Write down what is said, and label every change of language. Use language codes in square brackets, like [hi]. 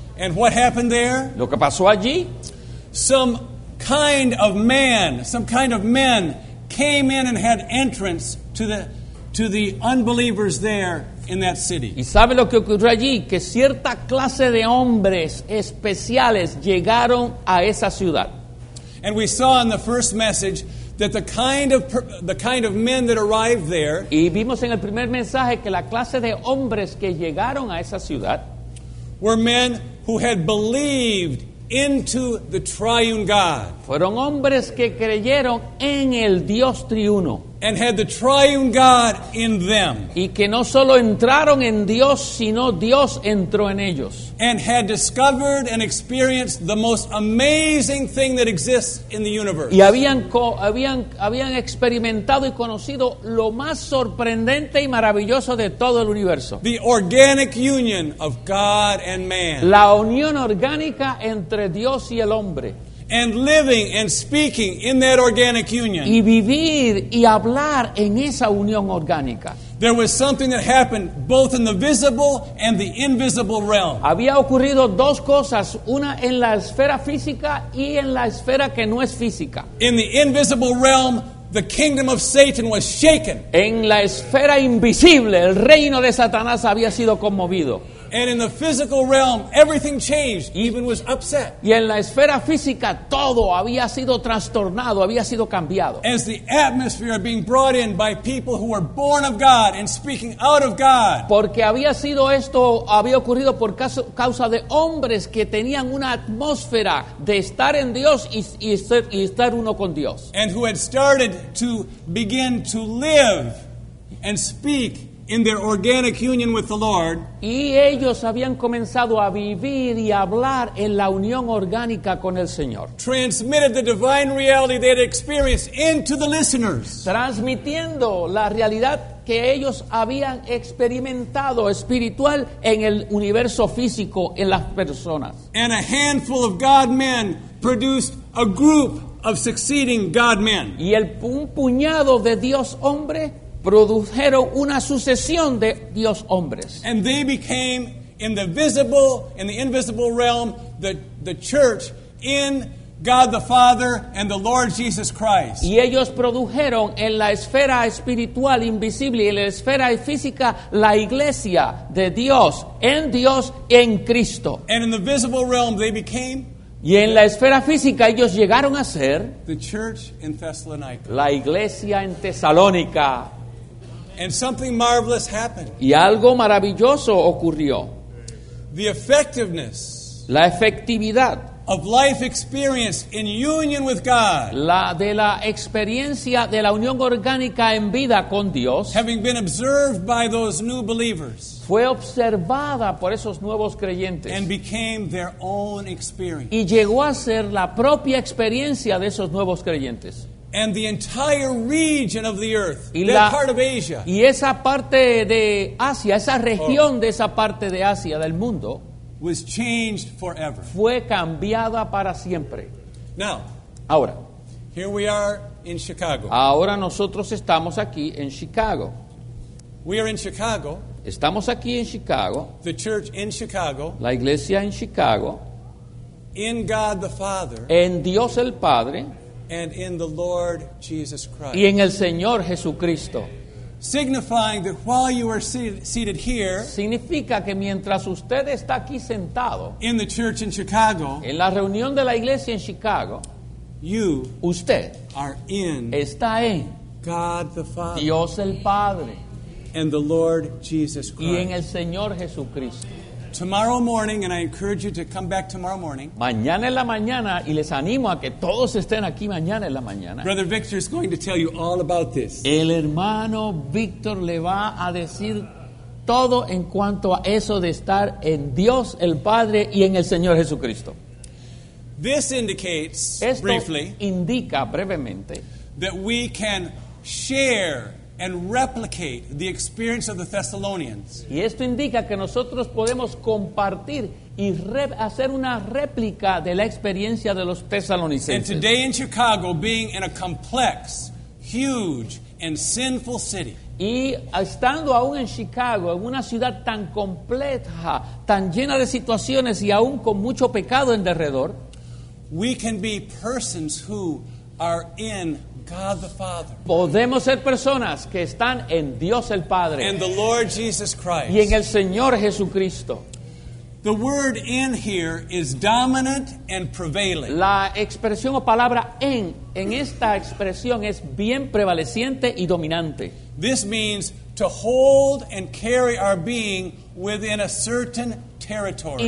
[en] And what happened there? [es] Lo que pasó allí, [en] some kind of men came in and had entrance to the unbelievers there in that city. [es] ¿Y sabe lo que ocurrió allí? Que cierta clase de hombres especiales llegaron a esa ciudad. [en] And we saw in the first message that the kind of men that arrived there. [es] Y vimos en el primer mensaje que la clase de hombres que llegaron a esa ciudad [en] were men who had believed into the triune God. [es] Fueron hombres que creyeron en el Dios triuno. [en] And had the triune God in them. [es] Y que no solo entraron en Dios, sino Dios entró en ellos. [en] And had discovered and experienced the most amazing thing that exists in the universe. [es] Y habían experimentado y conocido lo más sorprendente y maravilloso de todo el universo. [en] The organic union of God and man. [es] La unión orgánica entre Dios y el hombre. [en] And living and speaking in that organic union. [es] Y vivir y hablar en esa unión orgánica. [en] There was something that happened both in the visible and the invisible realm. [es] Había ocurrido dos cosas, una en la esfera física y en la esfera que no es física. [en] In the invisible realm, the kingdom of Satan was shaken. [es] En la esfera invisible, el reino de Satanás había sido conmovido. [en] And in the physical realm, everything changed, even was upset. [es] Y en la esfera física, todo había sido trastornado, había sido cambiado. [en] As the atmosphere being brought in by people who were born of God and speaking out of God. [es] Porque había sido esto, había ocurrido por causa de hombres que tenían una atmósfera de estar en Dios y estar uno con Dios. [en] And who had started to begin to live and speak in their organic union with the Lord. [es] Y ellos habían comenzado a vivir y hablar en la unión orgánica con el Señor. [en] Transmitted the divine reality they had experienced into the listeners. [es] Transmitiendo la realidad que ellos habían experimentado espiritual en el universo físico en las personas. [en] And a handful of God men produced a group of succeeding God men. [es] Y un puñado de Dios hombre produjeron una sucesión de Dios hombres. [en] And they became in the visible, in the invisible realm, the church in God the Father and the Lord Jesus Christ. [es] Y ellos produjeron en la esfera espiritual invisible y en la esfera física la iglesia de Dios, en Dios y en Cristo. [en] And in the visible realm they became. [es] Y en la esfera física ellos llegaron a ser [en] the church in Thessalonica. [es] La iglesia en Tesalónica. [en] And something marvelous happened. [es] Y algo maravilloso ocurrió. [en] The effectiveness, [es] la efectividad, [en] of life experience in union with God. [es] La de la experiencia de la unión orgánica en vida con Dios. [en] Having been observed by those new believers. [es] Fue observada por esos nuevos creyentes. [en] And became their own experience. [es] Y llegó a ser la propia experiencia de esos nuevos creyentes. [en] And the entire region of the earth, that part of Asia, [es] y esa parte de Asia, esa región de esa parte de Asia del mundo, [en] was changed forever. [es] Fue cambiada para siempre. [en] Now, [es] ahora, [en] here we are in Chicago. [es] Ahora nosotros estamos aquí en Chicago. [en] We are in Chicago. [es] Estamos aquí en Chicago. [en] The church in Chicago. [es] La iglesia en Chicago. [en] In God the Father. [es] En Dios el Padre. [en] And in the Lord Jesus Christ. [es] Y en el Señor Jesucristo. [en] Signifying that while you are seated here. [es] Significa que mientras usted está aquí sentado. [en] In the church in Chicago. [es] En la reunión de la iglesia en Chicago. [en] You. [es] Usted. [en] Are in. [es] Está en. [en] God the Father. [es] Dios el Padre. [en] And the Lord Jesus Christ. [es] Y en el Señor Jesucristo. [en] Tomorrow morning, and I encourage you to come back tomorrow morning. [es] Mañana en la mañana, y les animo a que todos estén aquí mañana en la mañana. [en] Brother Victor is going to tell you all about this. [es] El hermano Victor le va a decir todo en cuanto a eso de estar en Dios el Padre y en el Señor Jesucristo. [en] This indicates, [es] esto [en] briefly, [es] indica brevemente, [en] that we can share and replicate the experience of the Thessalonians. [es] Y esto indica que nosotros podemos compartir y hacer una réplica de la experiencia de los tesalonicenses. [en] And today in Chicago, being in a complex, huge, and sinful city. [es] Y estando aún en Chicago, en una ciudad tan compleja, tan llena de situaciones y aún con mucho pecado en derredor, [en] we can be persons who are in God the Father. [es] Podemos ser personas que están en Dios el Padre. [en] And the Lord Jesus Christ. [es] Y en el Señor Jesucristo. [en] The word in here is dominant and prevailing. [es] La expresión o palabra en esta expresión es bien prevaleciente y dominante. [en] This means to hold and carry our being within a certain territory.